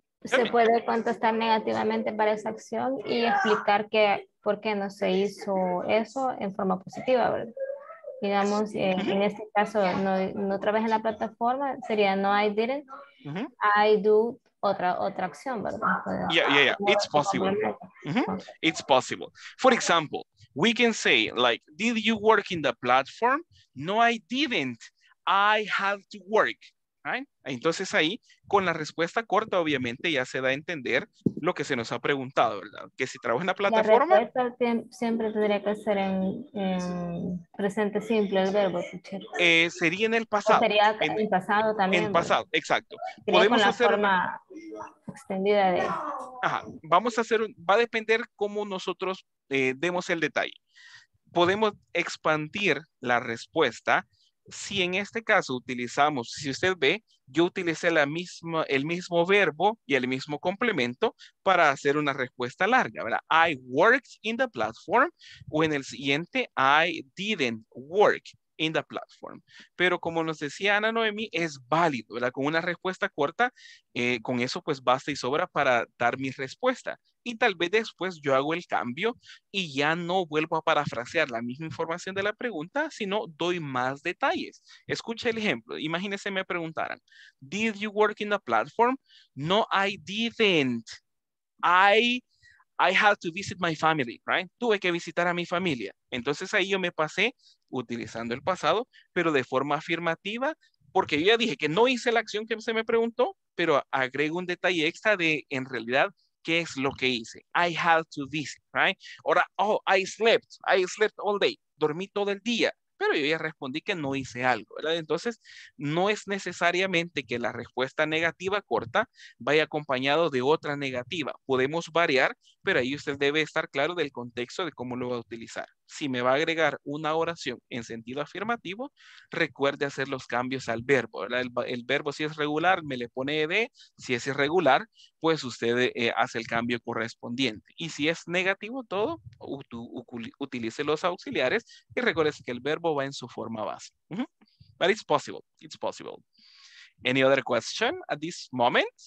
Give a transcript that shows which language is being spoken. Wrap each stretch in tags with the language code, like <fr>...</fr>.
<es>¿Se puede contestar negativamente para esa acción y explicar que por qué no se hizo eso en forma positiva, verdad? Digamos, en este caso, no trabajé en la plataforma, sería no</es> <en>I didn't, I do</en> <es>otra acción, ¿verdad?</es> <en>Yeah. It's possible. Okay. It's possible. For example, we can say, like, did you work in the platform? No, I didn't. I had to work. Right?</en> <es>Entonces ahí, con la respuesta corta, obviamente ya se da a entender lo que se nos ha preguntado, ¿verdad? Que si trabajo en la plataforma. La respuesta siempre tendría que ser en presente simple el verbo. Sería en el pasado. O sería en pasado también. En pasado, ¿verdad? Exacto. Sería podemos con la hacer forma extendida de. Ajá. Vamos a hacer. Va a depender cómo nosotros demos el detalle. Podemos expandir la respuesta. Si en este caso utilizamos, si usted ve, yo utilicé el mismo verbo y el mismo complemento para hacer una respuesta larga, ¿verdad?</es> <en>I worked in the platform,</en> <es>o en el siguiente,</es> <en>I didn't work in the platform.</en> <es>Pero como nos decía Ana Noemí, es válido, ¿verdad? Con una respuesta corta, con eso pues basta y sobra para dar mi respuesta. Y tal vez después yo hago el cambio y ya no vuelvo a parafrasear la misma información de la pregunta, sino doy más detalles. Escuche el ejemplo. Imagínese me preguntaran,</es> <en>did you work in the platform? No, I didn't. I had to visit my family, right?</en> <es>Tuve que visitar a mi familia. Entonces ahí yo me pasé utilizando el pasado, pero de forma afirmativa, porque yo ya dije que no hice la acción que se me preguntó, pero agrego un detalle extra de, en realidad, ¿qué es lo que hice?</es> <en>I had to visit, right? Ahora, oh, I slept all day.</en> <es>Dormí todo el día, pero yo ya respondí que no hice algo, ¿verdad? Entonces, no es necesariamente que la respuesta negativa corta vaya acompañado de otra negativa. Podemos variar, pero ahí usted debe estar claro del contexto de cómo lo va a utilizar. Si me va a agregar una oración en sentido afirmativo, recuerde hacer los cambios al verbo. El verbo, si es regular, me le pone ed. Si es irregular, pues usted hace el cambio correspondiente. Y si es negativo todo, utilice los auxiliares y recuerde que el verbo va en su forma base. Mm-hmm.</es> <en>But it's possible. Any other question at this moment?</en>